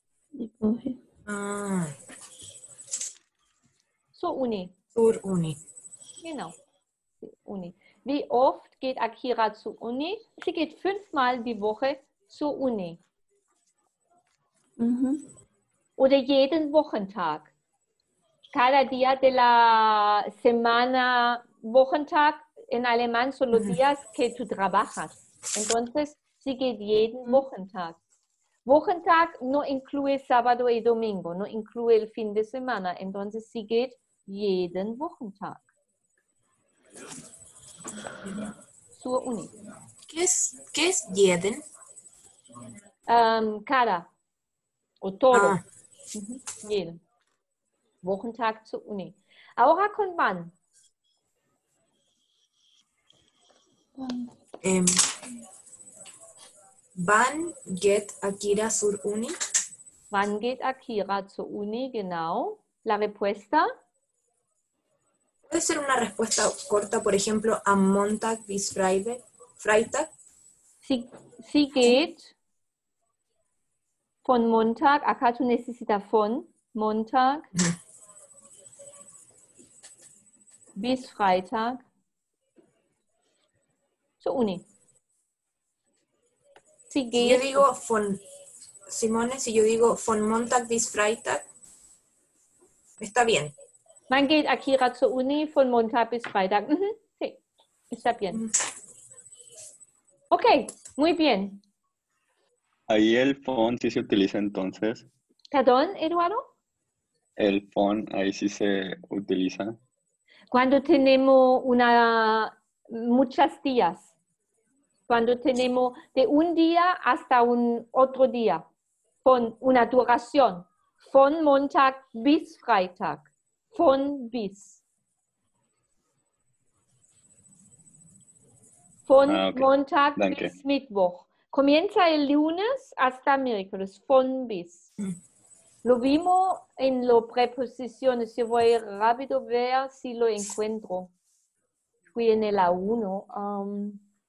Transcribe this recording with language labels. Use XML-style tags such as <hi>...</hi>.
<de>Die Woche. Ah. Zur Uni. Zur Uni. Genau. Die Uni. Wie oft geht Akira zur Uni? Sie geht fünfmal die Woche zur Uni. Mhm. Oder jeden Wochentag.</de> <es>Cada día de la semana, Wochentag, en alemán son los días que tú trabajas. Entonces, sigue</es> <de>jeden Wochentag.</de> <es>Wochentag no incluye sábado y domingo, no incluye el fin de semana. Entonces, sigue jeden Wochentag.</es> <de>Zur Uni.</de> <es>¿Qué es jeden? Cada. O todo. Ah. Jeden.</es> <de>Wochentag zur Uni.</de> <es>Ahora con</es> <de>wann? Wann geht Akira zur Uni? Wann geht Akira zur Uni, genau.</de> <es>La respuesta? Puede ser una respuesta corta, por ejemplo,</es> <de>am Montag bis Freitag. Sie geht von Montag,</de> <es>acá tú necesitas</es> <de>von Montag bis Freitag zur Uni.</de> <es>Si yo digo von Simone, si yo digo</es> <de>von Montag bis Freitag,</de> <es>está bien.</es> <de>Man geht Akira zur Uni von Montag bis Freitag.</de> <es>Mm-hmm. Sí, está bien. Okay, muy bien. Ahí el phone sí se utiliza entonces. ¿Perdón, Eduardo? El phone ahí sí se utiliza. Cuando tenemos una muchas días. Cuando tenemos de un día hasta un otro día, con una duración,</es> <de>von Montag bis Freitag, von bis. Von Montag bis Mittwoch.</de> <es>Comienza el lunes hasta miércoles, von bis. Lo vimos en las preposiciones, yo voy rápido a ver si lo encuentro. Fui en el A1.</es>